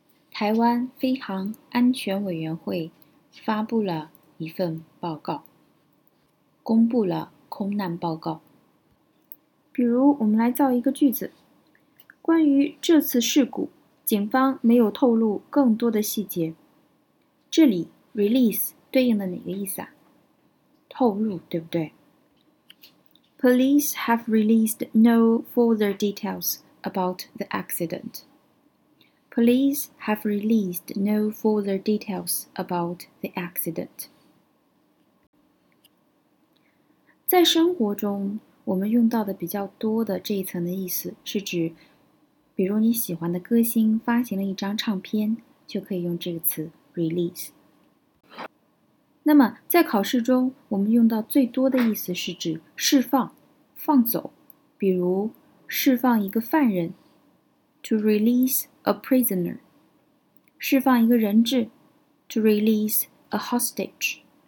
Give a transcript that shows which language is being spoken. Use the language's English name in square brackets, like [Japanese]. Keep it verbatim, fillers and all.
[Chinese] 台湾飞航安全委员会发布了一份报告，公布了空难报告。比如我们来造一个句子，关于这次事故警方没有透露更多的细节。这里 release 对应的哪个意思啊？透露，对不对？ [English] Police have released no further details about the accident. Police have released no further details about the accident. [Chinese] 在生活中，我们用到的比较多的这一层的意思是指比如你喜欢的歌星发行了一张唱片，就可以用这个词 release。那么在考试中我们用到最多的意思是指释放放走，比如释放一个犯人 [English] to release a prisoner， [Chinese] 释放一个人质 [English] to release a hostage。